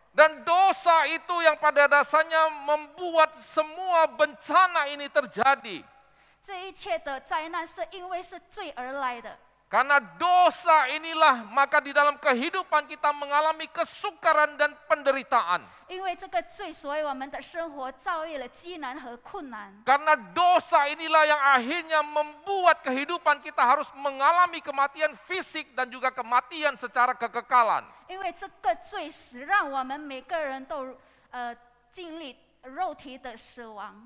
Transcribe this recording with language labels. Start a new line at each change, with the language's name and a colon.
Indonesian: Dan dosa itu yang pada dasarnya membuat semua bencana ini terjadi.
Chinese: 这一切的灾难是因为是罪而来的.
Indonesian: Karena dosa inilah maka di dalam kehidupan kita mengalami kesukaran dan penderitaan.
Chinese: 因为这个罪，所以我们的生活遭遇了艰难和困难.
Indonesian: Karena dosa inilah yang akhirnya membuat kehidupan kita harus mengalami kematian fisik dan juga kematian secara kekekalan.
Chinese: 因为这个罪使让我们每个人都经历 肉体的死亡,